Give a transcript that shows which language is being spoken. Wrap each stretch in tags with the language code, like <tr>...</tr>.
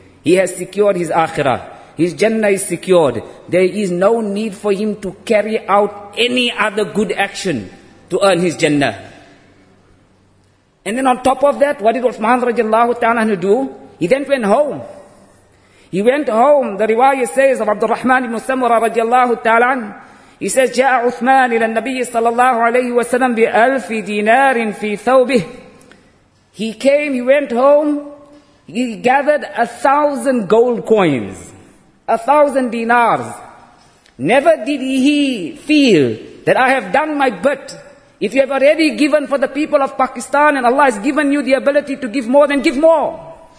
<en>He has secured his akhirah. His Jannah is secured. There is no need for him to carry out any other good action to earn his Jannah. And then on top of that, what did Uthman radiallahu ta'ala do? He then went home. He went home. The riwayah says of Abdurrahman ibn Samura radiallahu ta'ala, he says,</en> <ar>جاء عثمان إلى النبي صلى الله عليه وسلم بألف دينار في ثوبه.</ar> <en>He came, he went home, he gathered 1,000 gold coins, 1,000 dinars. Never did he feel that I have done my bit. If you have already given for the people of Pakistan and Allah has given you the ability to give more, then give more.</en>